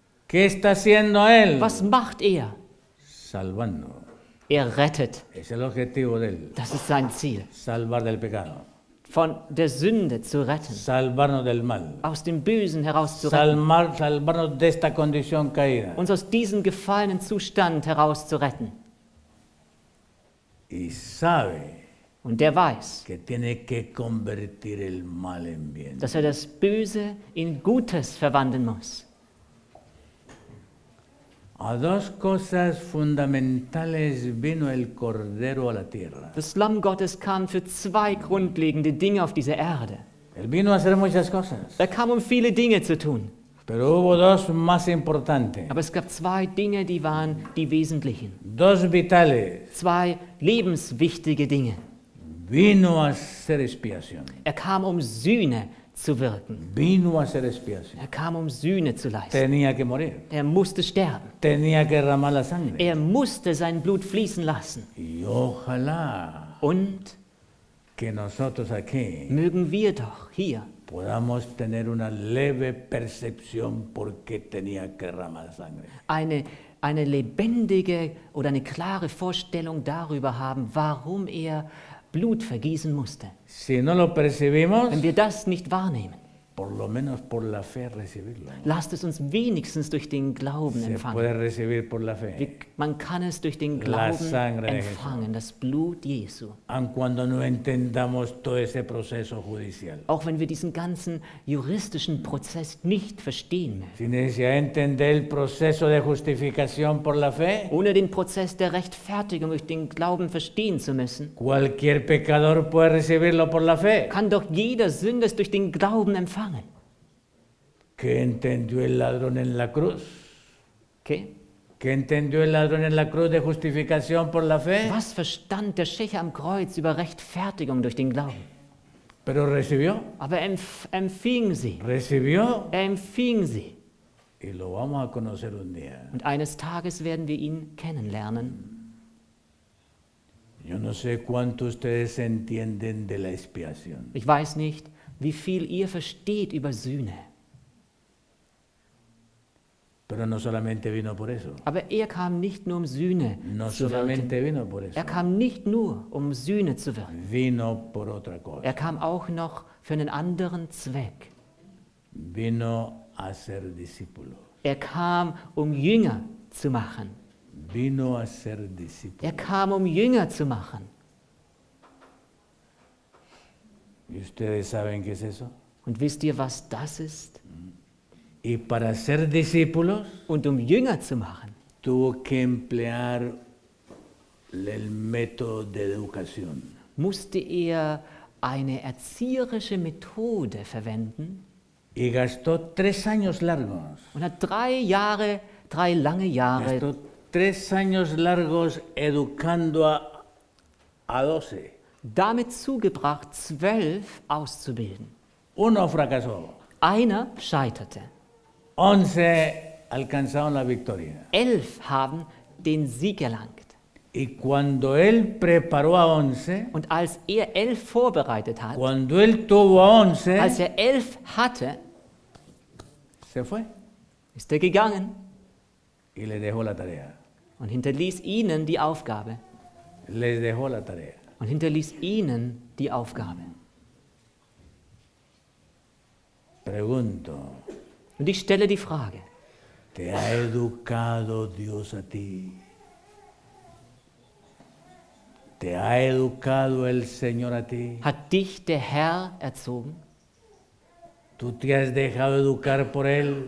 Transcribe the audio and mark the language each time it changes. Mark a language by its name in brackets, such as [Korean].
[Spanish] ¿Qué está haciendo él? [German] Was macht er? [Spanish] Salvando. [German] Er rettet. [Spanish] Es el objetivo de él. [German] Das ist sein Ziel. [Spanish] Salvar del pecado. [German] Von der Sünde zu retten. [Spanish] Salvarnos del mal. [German] Aus dem Bösen heraus zu retten. [Spanish] Salvarnos de esta condición caída. [German] Uns aus diesem gefallenen Zustand heraus zu retten. [Spanish] Y sabe. [German] Und der weiß. [Spanish] Que tiene que convertir el mal en bien. [German] Dass er das Böse in Gutes verwandeln muss. [Spanish] A dos cosas fundamentales vino el Cordero a la tierra. [German] Das Lamm Gottes kam für zwei grundlegende Dinge auf diese Erde. [Spanish] Él vino a hacer muchas cosas. [German] Er kam, um viele Dinge zu tun. [Spanish] Pero hubo dos más importantes. [German] Aber es gab zwei Dinge, die waren die wesentlichen. [Spanish] Dos vitales. [German] Zwei lebenswichtige Dinge. [Spanish] Vino a hacer expiación. [German] Er kam, um Sühne zu wirken. [Spanish] Vino a hacer expiación. [German] Er kam, um Sühne zu leisten. [Spanish] Tenía que morir. [German] Er musste sterben. [Spanish] Tenía que derramar la sangre. [German] Er musste sein Blut fließen lassen. [Spanish] Y ojalá. [German] Und [Spanish] que nosotros aquí [German] mögen wir doch hier [Spanish] podamos tener una leve percepción porque tenía que derramar la sangre. [German] Eine lebendige oder eine klare Vorstellung darüber haben, warum er Blut vergießen musste. [Spanish] Si no lo percibimos, [German] wenn wir das nicht wahrnehmen, [Spanish] por lo menos por la fe recibirlo. [German] Lasst es uns wenigstens durch den Glauben [Spanish] se [German] empfangen. [Spanish] Puede recibir por la fe. [German] Man kann es durch den Glauben empfangen, das Blut Jesu. [Spanish] Aun cuando no entendamos todo ese proceso judicial. [German] Auch wenn wir diesen ganzen juristischen Prozess nicht verstehen. [Spanish] Si necesita entender el proceso de justificación por la fe, [German] ohne den Prozess der Rechtfertigung durch den Glauben verstehen zu müssen, [Spanish] cualquier pecador puede recibirlo por la fe. [German] Kann doch jeder Sünder durch den Glauben empfangen. Empfangen. [Spanish] ¿Qué entendió el ladrón en la cruz? ¿Qué? ¿Qué entendió el ladrón en la cruz de justificación por la fe? [German] Was verstand der Schächer am Kreuz über Rechtfertigung durch den Glauben? [Spanish] Pero recibió. [German] Aber empfing sie. [Spanish] Recibió. [German] Empfing sie. [Spanish] Y lo vamos a conocer un día. [German] Und eines Tages werden wir ihn kennenlernen. [Spanish] Yo no sé cuánto ustedes entienden de la expiación. [German] Ich weiß nicht, wie viel ihr versteht über Sühne. [Spanish] Pero no solamente vino por eso. [German] Aber er kam nicht nur um Sühne [Spanish] no [German] zu wirken. [Spanish] Vino por eso. [German] Er kam nicht nur um Sühne zu wirken. [Spanish] Vino por otra cosa. [German] Er kam auch noch für einen anderen Zweck. [Spanish] Vino a ser discípulo. [German] Er kam um Jünger zu machen. [Spanish] Vino a ser discípulo. [German] Er kam um Jünger zu machen. [Spanish] ¿Y ustedes saben qué es eso? [German] Und wisst ihr, was das ist? [Spanish] Y para ser discípulos, [German] und um Jünger zu machen, [Spanish] tuvo que emplear el método de educación. [German] Musste er eine erzieherische Methode verwenden. [Spanish] Y gastó tres años largos. [German] Und hat drei lange Jahre. [Spanish] Gastó tres años largos educando a 12. [German] Damit zugebracht, 12 auszubilden. [Spanish] Uno fracasó. [German] Einer scheiterte. [Spanish] 11 alcanzaron la victoria. [German] 11 haben den Sieg erlangt. [Spanish] Y cuando él preparó a 11, [German] und als er 11 vorbereitet hat, [Spanish] cuando él tuvo 11, [German] als er 11 hatte, [Spanish] se fue. [German] Ist er gegangen. [Spanish] Y le dejó la tarea. [German] Und hinterließ ihnen die Aufgabe. [Spanish] Les dejó la tarea. [German] Und hinterließ ihnen die Aufgabe. [Spanish] Pregunto. [German] Und ich stelle die Frage. [Spanish] Te ha educado Dios a ti. Te ha educado el Señor a ti. [German] Hat dich der Herr erzogen? [Spanish] Tú te has dejado educar por él.